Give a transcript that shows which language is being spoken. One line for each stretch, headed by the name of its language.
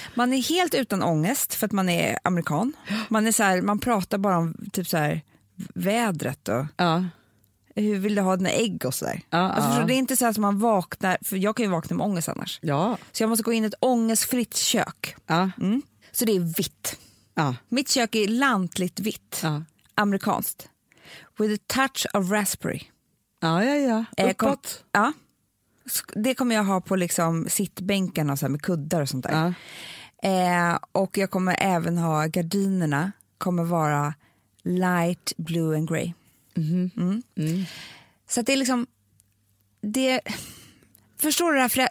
Swedish: Man är helt utan ångest för att man är amerikan. Man är så här, man pratar bara om typ så här vädret. Och ja. Hur vill du ha dina ägg och så där? Ja, alltså, ja. Det är inte så här som man vaknar... För jag kan ju vakna med ångest annars. Ja. Så jag måste gå in i ett ångestfritt kök. Ja. Mm. Så det är vitt. Ja. Mitt kök är lantligt vitt. Ja. Amerikanskt.
English: With a touch of raspberry.
Swedish: Ja. Uppåt. Ja. Det kommer jag ha på liksom sittbänken och så här med kuddar och sånt där. Ja. Och jag kommer även ha... Gardinerna kommer vara
English: light blue and grey. Mm-hmm.
Swedish: Mm. Så att det är liksom... Det... Förstår du det här?